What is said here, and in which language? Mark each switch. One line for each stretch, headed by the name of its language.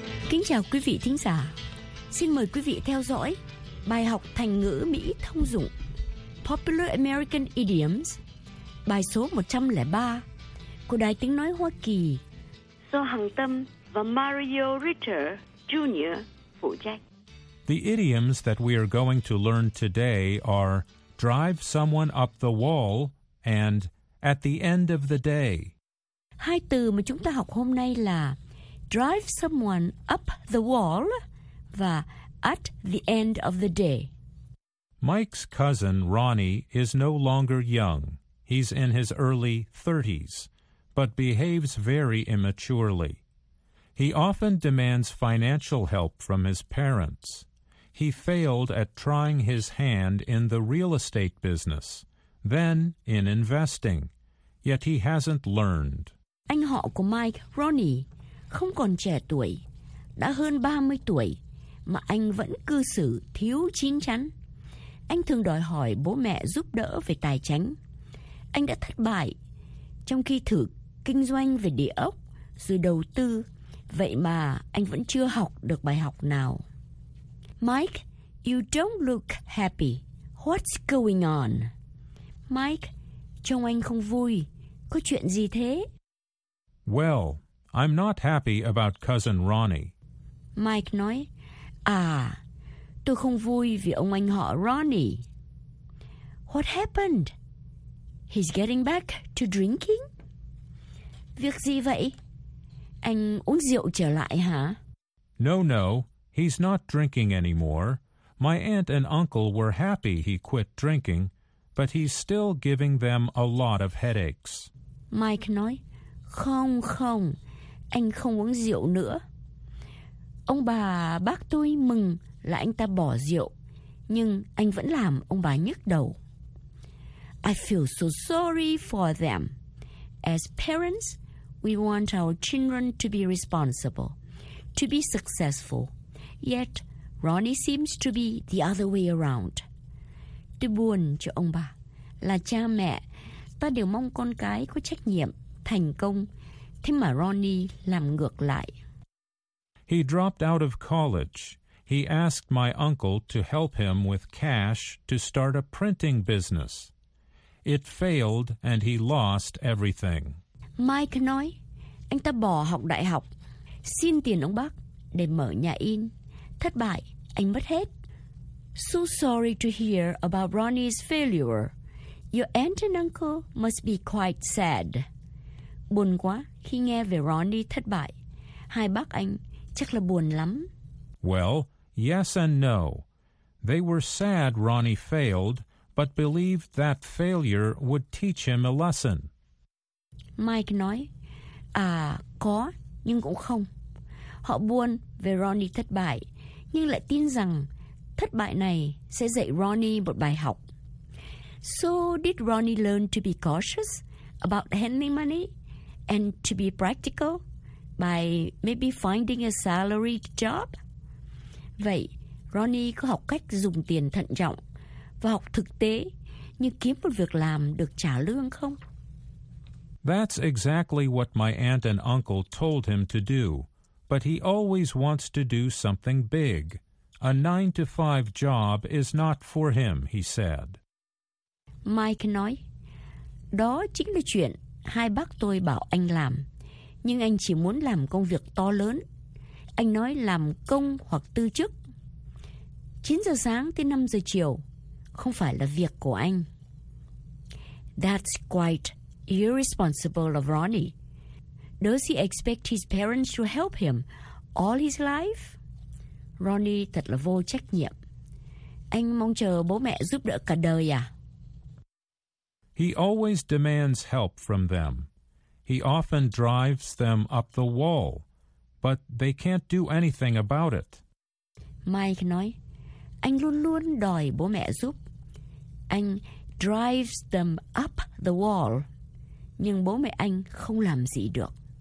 Vietnamese: Kính chào quý vị thính giả. Xin mời quý vị theo dõi bài học thành ngữ Mỹ thông dụng Popular American Idioms, bài số 103 của Đài Tiếng Nói Hoa Kỳ. Do Hằng Tâm và Mario Ritter Junior phụ trách.
English: The idioms that we are going to learn today are drive someone up the wall and at the end of the day.
Vietnamese: Hai từ mà chúng ta học hôm nay là
English: drive someone up the wall
Vietnamese: và
English: at the end of the day. Mike's cousin, Ronnie, is no longer young. He's in his early 30s, but behaves very immaturely. He often demands financial help from his parents. He failed at trying his hand in the real estate business, then in investing, yet he hasn't learned.
Vietnamese: Anh họ của Mike, Ronnie, không còn trẻ tuổi, đã hơn 30 tuổi, mà anh vẫn cư xử thiếu chín chắn. Anh thường đòi hỏi bố mẹ giúp đỡ về tài chính. Anh đã thất bại trong khi thử kinh doanh về địa ốc rồi đầu tư, vậy mà anh vẫn chưa học được bài học nào.
English: Mike, you don't look happy. What's going on?
Vietnamese: Mike, trông anh không vui. Có chuyện gì thế?
English: Well, I'm not happy about cousin Ronnie.
Vietnamese: Mike nói, à, tôi không vui vì ông anh họ Ronnie.
English: What happened? He's getting back to drinking?
Vietnamese: Việc gì vậy? Anh uống rượu trở lại hả?
English: No, no. He's not drinking anymore. My aunt and uncle were happy he quit drinking, but he's still giving them a lot of headaches.
Vietnamese: Mike nói, không, không, anh không uống rượu nữa. Ông bà, bác tôi mừng là anh ta bỏ rượu, nhưng anh vẫn làm ông bà nhức đầu.
English: I feel so sorry for them. As parents, we want our children to be responsible, to be successful. Yet, Ronnie seems to be the other way around.
Vietnamese: Tôi buồn cho ông bà. Là cha mẹ, ta đều mong con cái có trách nhiệm, thành công. Thế mà Ronnie làm ngược lại.
English: He dropped out of college. He asked my uncle to help him with cash to start a printing business. It failed and he lost everything.
Vietnamese: Mike nói, anh ta bỏ học đại học, xin tiền ông bác để mở nhà in. Thất bại, anh mất hết.
English: So sorry to hear about Ronnie's failure. Your aunt and uncle must be quite sad.
Vietnamese: Buồn quá khi nghe về Ronnie thất bại. Hai bác anh chắc là buồn lắm.
English: Well, yes and no. They were sad Ronnie failed, but believed that failure would teach him a lesson.
Vietnamese: Mike nói, à, có, nhưng cũng không. Họ buồn về Ronnie thất bại, nhưng lại tin rằng thất bại này sẽ dạy Ronnie một bài học.
English: So did Ronnie learn to be cautious about handling money and to be practical by maybe finding a salaried job?
Vietnamese: Vậy, Ronnie có học cách dùng tiền thận trọng và học thực tế như kiếm một việc làm được trả lương không?
English: That's exactly what my aunt and uncle told him to do. But he always wants to do something big. A 9-to-5 job is not for him, he said.
Vietnamese: Mike nói, đó chính là chuyện hai bác tôi bảo anh làm. Nhưng anh chỉ muốn làm công việc to lớn. Anh nói làm công hoặc tư chức. 9 giờ sáng tới 5 giờ chiều không phải là việc của anh.
English: That's quite irresponsible of Ronnie. Does he expect his parents to help him all his life?
Vietnamese: Ronnie thật là vô trách nhiệm. Anh mong chờ bố mẹ giúp đỡ cả đời à?
English: He always demands help from them. He often drives them up the wall, but they can't do anything about it.
Vietnamese: Mike nói, anh luôn luôn đòi bố mẹ giúp. Anh
English: drives them up the wall,
Vietnamese: nhưng bố mẹ anh không làm gì được.